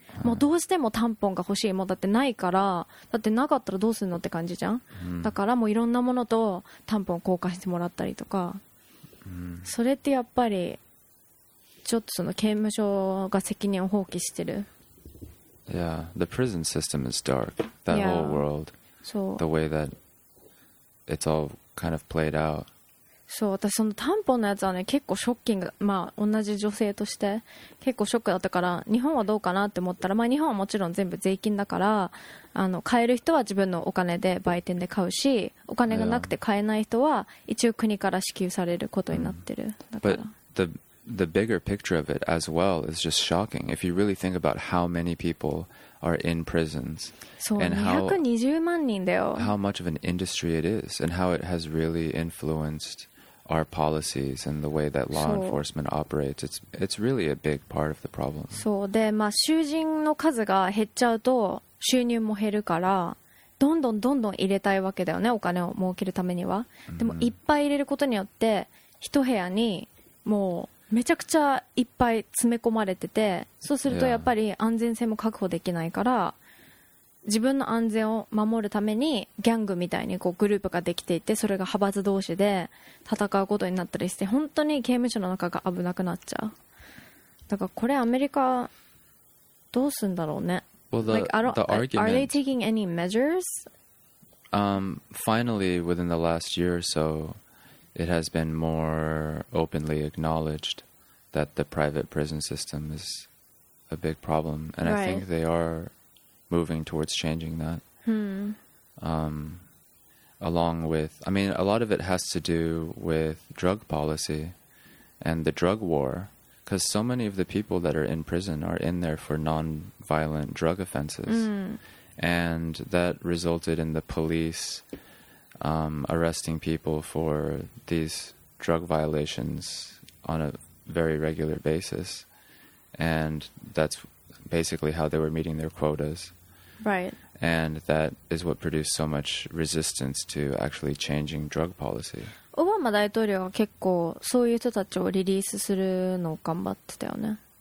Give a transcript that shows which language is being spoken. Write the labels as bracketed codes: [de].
[ja] もうどうしてもタンポンが欲しい、もうだってないから、だってなかったらどうするのって感じじゃん、うん、だからもういろんなものとタンポン交換してもらったりとか、うん、それってやっぱりちょっとその刑務所が責任を放棄してる。 [en] Yeah, the prison system is dark. That yeah, whole world. So, the way that it's all kind of played out. [ja] そう、私そのタンポンのやつはね結構ショッキング、まあ同じ女性として結構ショックだったから、日本はどうかなって思ったら、まあ日本はもちろん全部税金だから、あの買える人は自分のお金で売店で買うし、お金がなくて買えない人は一応国から支給されることになってる、だから。 [en] But the bigger picture of it as well is just shocking. If you really think about how many people are in prisons. [ja] そう、220万人だよ。 [en] How much of an industry it is and how it has really influenced our policies and the way that law enforcement operates. It's really a big part of the problem. [ja] そう、で、まあ、囚人の数が減っちゃうと収入も減るから、どんどんどんどん入れたいわけだよね、お金を儲けるためには。でもいっぱい入れることによって一部屋にもうめちゃくちゃいっぱい詰め込まれてて、そうするとやっぱり安全性も確保できないから、自分の安全を守るためにギャングみたいにこうグループができていて、それが派閥同士で戦うことになったりして、本当に刑務所の中が危なくなっちゃう。だからこれアメリカどうすんだろうね。 [en] Well, the argument, are they taking any measures? Finally, within the last year or so, it has been more openly acknowledged that the private prison system is a big problem. And right. I think they are moving towards changing that. Along with, I mean, a lot of it has to do with drug policy and the drug war. Because so many of the people that are in prison are in there for non-violent drug offenses. And that resulted in the police arresting people for these drug violations on a very regular basis. And that's basically how they were meeting their quotas. Right. And that is what produced so much resistance to actually changing drug policy. [ja] オバマ大統領は結構そういう人たちをリリースするのを頑張ってたよね。